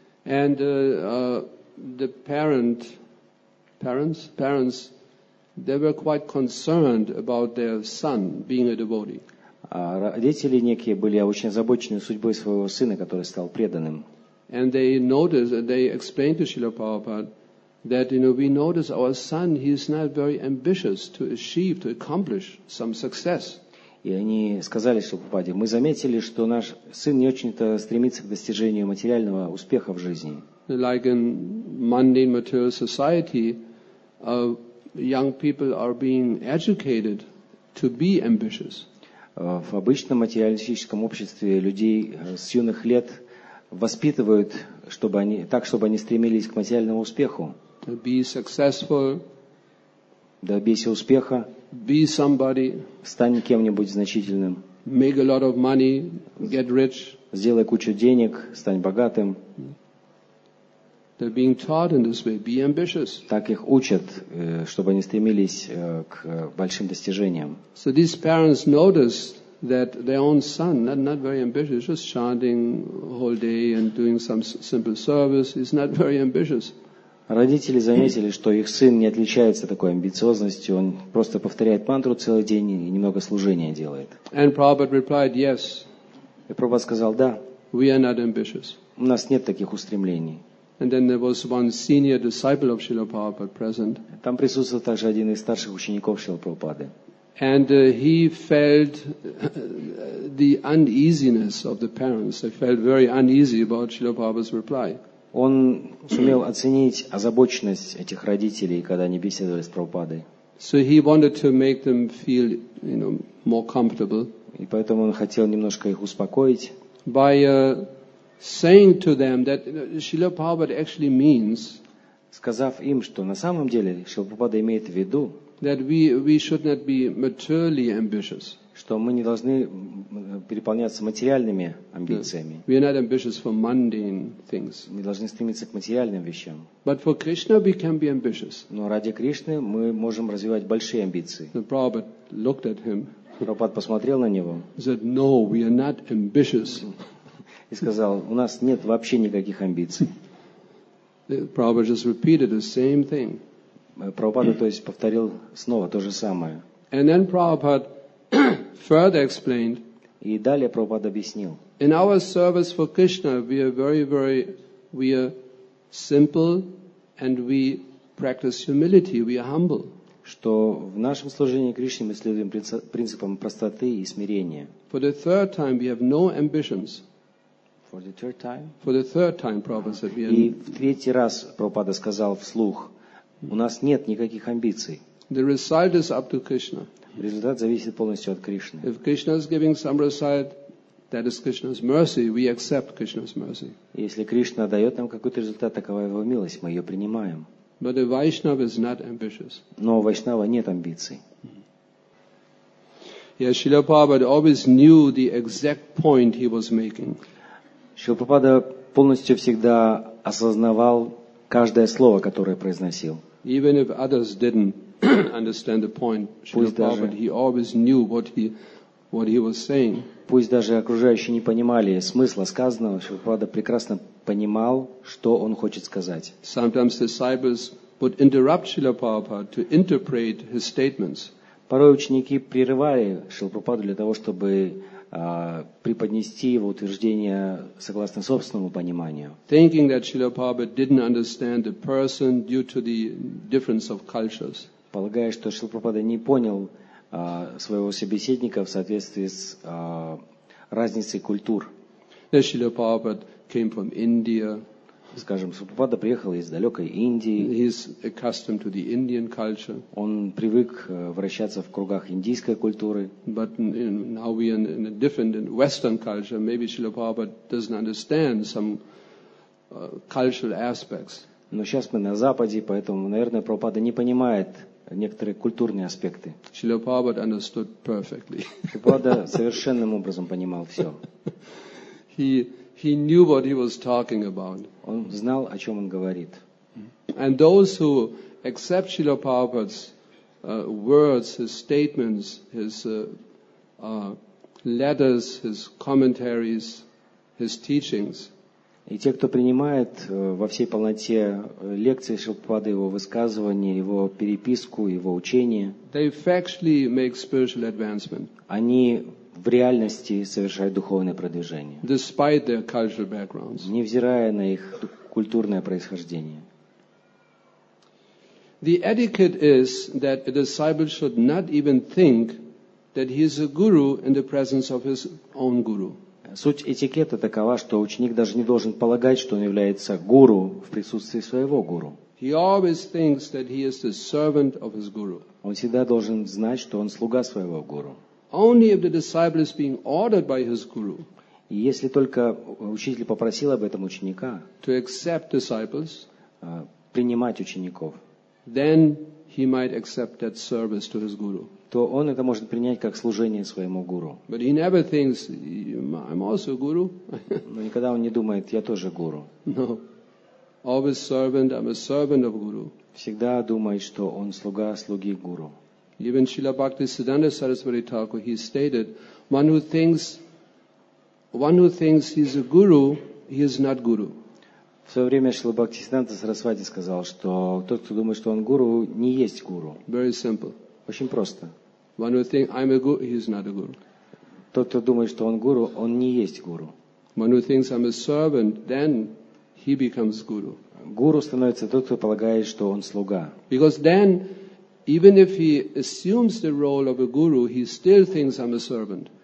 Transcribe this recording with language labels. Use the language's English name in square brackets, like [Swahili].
[English] And the parents, they were quite concerned about their son being a devotee. [Russian] Родители некие были очень озабочены судьбой своего сына, который стал преданным. [English] And they noticed, they explained to Srila Prabhupada that you know, we notice our son, he is not very ambitious to achieve, to accomplish some success. [Russian] И они сказали Шилпападе, мы заметили, что наш сын не очень-то стремится к достижению материального успеха в жизни. [English] Like in mundane material society, young people are being educated to be ambitious. [Russian] В обычном материалистическом обществе людей с юных лет воспитывают, чтобы они, так, чтобы они стремились к материальному успеху. [English] To be successful. [Russian] Добейся успеха. [English] Be somebody. [Russian] Стань кем-нибудь значительным. [English] Make a lot of money, get rich. [Russian] Сделай кучу денег, стань богатым. [English] They're being taught in this way. Be ambitious. [Russian] Так их учат, чтобы они стремились к большим достижениям. [English] So these parents noticed that their own son, not very ambitious, just chanting whole day and doing some simple service, is not very ambitious. [Russian] Родители заметили, что их сын не отличается такой амбициозностью, он просто повторяет мантру целый день и немного служения делает. [English] And Prabhupada replied, yes. [Russian] И Прабхупада сказал, да. [English] We are not ambitious. [Russian] У нас нет таких устремлений. [English] And then there was one senior disciple of Srila Prabhupada present. [Russian] Там присутствовал также один из старших учеников Шрилы Прабхупады. [English] And he felt the uneasiness of the parents. They felt very uneasy about Srila Prabhupada's reply. [Russian] Он сумел оценить озабоченность этих родителей, когда они беседовали с Прабхупадой. [English] So he wanted to make them feel, you know, more comfortable. [Russian] И поэтому он хотел немножко их успокоить. [English] By saying to them that Srila Prabhupada actually means, [Russian] сказав им, что на самом деле Шрила Прабхупада имеет в виду, [English] that we should not be materially ambitious. [Russian] Что мы не должны переполняться материальными амбициями. [English] We are not ambitious for mundane things. [Russian] Не должны стремиться к материальным вещам. [English] But for Krishna we can be ambitious. [Russian] Но ради Кришны мы можем развивать большие амбиции. [English] The Prabhupada looked at him. [Russian] Прабхупада посмотрел на него. [English] Said, no, we are not ambitious. [Russian] И сказал, у нас нет вообще никаких амбиций. [English] The Prabhupada just repeated the same thing. [Russian] Прабхупада, то есть, повторил снова то же самое. [English] And then Prabhupada further explained. [Russian] И далее Прабхупада объяснил. [English] In our service for Krishna, we are very, very, we are simple, and we practice humility. We are humble. [Russian] Что в нашем служении Кришне мы следуем принципам простоты и смирения. [English] For the third time, we have no ambitions. For the third time. For the third time, Prabhupada said. [Russian] И в третий раз Прабхупада сказал вслух: у нас нет никаких амбиций. [English] The result is up to Krishna. [Russian] Результат зависит полностью от Кришны. [English] If Krishna is giving some result, that is Krishna's mercy. We accept Krishna's mercy. [Russian] Если Кришна дает нам какой-то результат, такова его милость, мы ее принимаем. [English] But a Vaishnava is not ambitious. [Russian] Но у Вайшнава нет амбиций. [English] Yes, Srila Prabhupada always knew the exact point he was making. [Russian] Шрила Прабхупада полностью всегда осознавал каждое слово, которое произносил. [English] Even if others didn't understand the point, Prabhupada, he always knew what he was saying. [Russian] Пусть даже окружающие не понимали смысла сказанного, Прабхупада прекрасно понимал, что он хочет сказать. [English] Sometimes disciples would interrupt Srila Prabhupada to interpret his statements. [Russian] Порой ученики прерывали Прабхупаду для того, чтобы преподнести его утверждение согласно собственному пониманию. [English] Thinking that Srila Prabhupada didn't understand the person due to the difference of cultures. [Russian] Полагая, что Шрила Прабхупада не понял своего собеседника в соответствии с разницей культур. [English] Шрила Прабхупада came from India. [Russian] Скажем, Шрила Прабхупада приехал из далекой Индии. [English] He's accustomed to the Indian culture. [Russian] Он привык вращаться в кругах индийской культуры. [English] But now we are in a different in Western culture. Maybe Шрила Прабхупада doesn't understand some cultural aspects. [Russian] Но сейчас мы на Западе, поэтому, наверное, Прабхупада не понимает некоторые культурные аспекты. [English] Шрила Прабхупада understood perfectly. [Russian] Прабхупада совершенным образом понимал все. [English] He knew what he was talking about. [Russian] Он знал, о чем он говорит. [English] And those who accept Srila Prabhupada's words, his statements, his letters, his commentaries, his teachings. [Russian] И те, кто принимает во всей полноте лекции Шрилы Прабхупады, его высказывания, его переписку, его учение, [English] they factually make spiritual advancement. [Russian] Они в реальности совершают духовное продвижение. [English] Despite their cultural backgrounds. [Russian] Невзирая на их культурное происхождение. [English] The etiquette is that a disciple should not even think that he is a guru in the presence of his own guru. [Russian] Суть этикета такова, что ученик даже не должен полагать, что он является гуру в присутствии своего гуру. [English] He always thinks that he is the servant of his guru. [Russian] Он всегда должен знать, что он слуга своего гуру. [English] Only if the disciple is being ordered by his guru. [Russian] И если только учитель попросил об этом ученика, [English] to accept disciples, [Russian] принимать учеников, [English] then he might accept that service to his guru. [Russian] То он это может принять как служение своему гуру. [English] But he never thinks, I'm also a guru. [Russian] Но никогда он не думает, я тоже гуру. [English] No. Always servant, I'm a servant of guru. [Russian] Всегда думает, что он слуга слуги гуру. [English] Even Srila Bhaktisiddhanta Saraswati Thakur, he stated, one who thinks he's a guru, he is not guru. [Russian] В свое время Шрила Бхактисиддханта Сарасвати сказал, что тот, кто думает, что он гуру, не есть гуру. [English] Very simple. [Russian] Очень просто. [English] One who thinks I'm a guru, he is not a guru. [Russian] Тот, кто думает, что он гуру, он не есть гуру. [English] One who thinks I'm a servant, then he becomes guru. [Russian] Гуру становится тот, кто полагает, что он слуга. [English] Because then, even if he assumes the role of a guru, he still thinks I'm a servant.